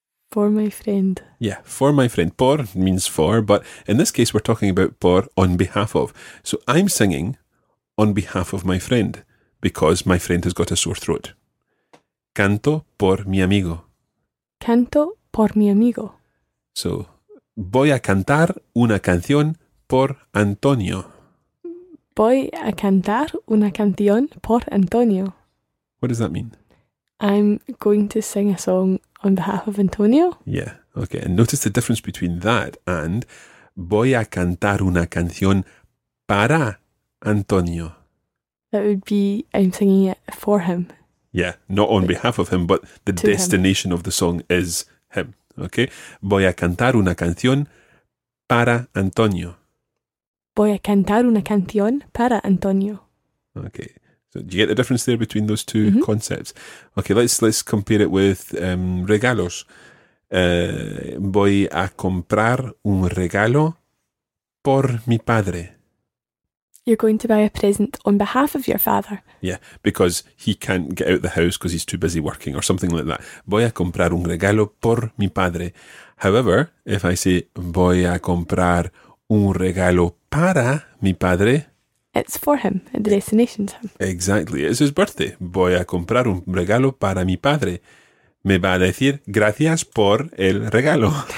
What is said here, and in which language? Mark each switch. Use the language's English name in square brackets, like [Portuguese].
[English] For my friend. Yeah, for my friend. Por means for, but in this case we're talking about por on behalf of. So I'm singing on behalf of my friend because my friend has got a sore throat. [Spanish] Canto por mi amigo. Canto por mi amigo. So, voy a cantar una canción por Antonio. Voy a cantar una canción por Antonio. [English] What does that mean? I'm going to sing a song on behalf of Antonio. Yeah, okay. And notice the difference between that and [Spanish] voy a cantar una canción para Antonio. [English] That would be I'm singing it for him. Yeah, not on behalf of him, but the destination of the song is him. Okay? [Spanish] Voy a cantar una canción para Antonio. Voy a cantar una canción para Antonio. [English] Okay. So do you get the difference there between those two concepts? Okay, let's compare it with regalos. [Spanish] Voy a comprar un regalo por mi padre. [English] You're going to buy a present on behalf of your father. Yeah, because he can't get out of the house because he's too busy working or something like that. [Spanish] Voy a comprar un regalo por mi padre. [English] However, if I say [Spanish] voy a comprar un regalo para mi padre. [English] It's for him, at the destination's him. Exactly, it's his birthday. [Spanish] Voy a comprar un regalo para mi padre. Me va a decir gracias por el regalo.